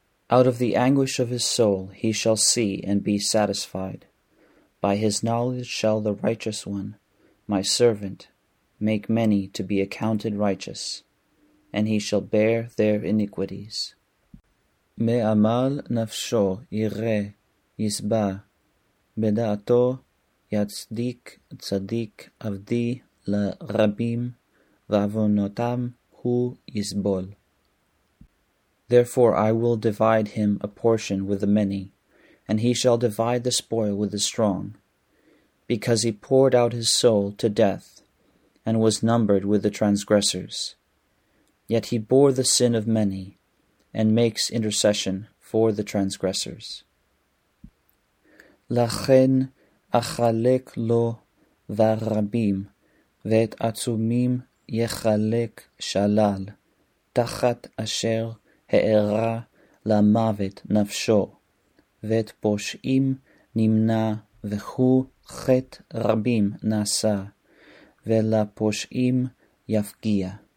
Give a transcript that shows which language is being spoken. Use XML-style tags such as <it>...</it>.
<en>Out of the anguish of his soul he shall see and be satisfied. By his knowledge shall the righteous one, my servant, make many to be accounted righteous, and he shall bear their iniquities.</en> <he>Me'amal nafsho yire yisba בדעתו יצדיק צדיק עבדי לרבים ועוונותם הוא יסבול.</he> <en>Therefore I will divide him a portion with the many, and he shall divide the spoil with the strong, because he poured out his soul to death, and was numbered with the transgressors. Yet he bore the sin of many, and makes intercession for the transgressors.</en> <he>לכן אחלק לו ורבים, ואת עצומים יחלק שלל, תחת אשר הערה למוות נפשו, ואת פושעים נמנע והוא חטא רבים נעשה, ולפושעים יפגיע.</he>